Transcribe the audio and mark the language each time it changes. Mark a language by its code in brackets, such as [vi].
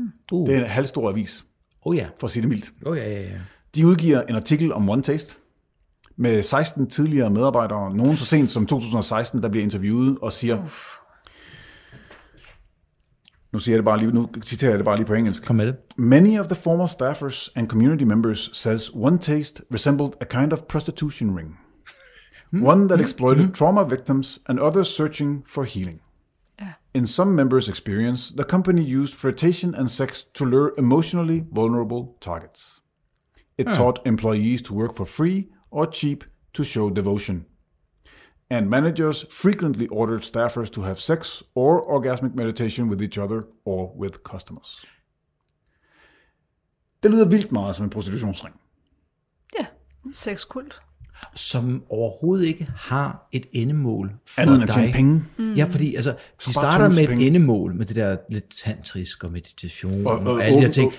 [da] Det er en halvstor avis, for at sige det mildt. De udgiver en artikel om OneTaste med 16 tidligere medarbejdere, nogen så sent som 2016, der bliver interviewet og siger, nu siger jeg det bare lige, nu citerer jeg det bare lige på engelsk. Kom med det. [en] Many of the former staffers and community members says OneTaste resembled a kind of prostitution ring. One that exploited trauma victims and others searching for healing. In some members' experience, the company used flirtation and sex to lure emotionally vulnerable targets. It taught employees to work for free or cheap to show devotion. And managers frequently ordered staffers to have sex or orgasmic meditation with each other or with customers. [da] Det lyder vildt meget som en prostitutionsring. Ja, sexkult. Som overhovedet ikke har et endemål for andet dig. Andet end at tjene penge. Mm. Ja, fordi altså, de starter med et endemål, med det der lidt tantrisk og meditation og alle de der ting.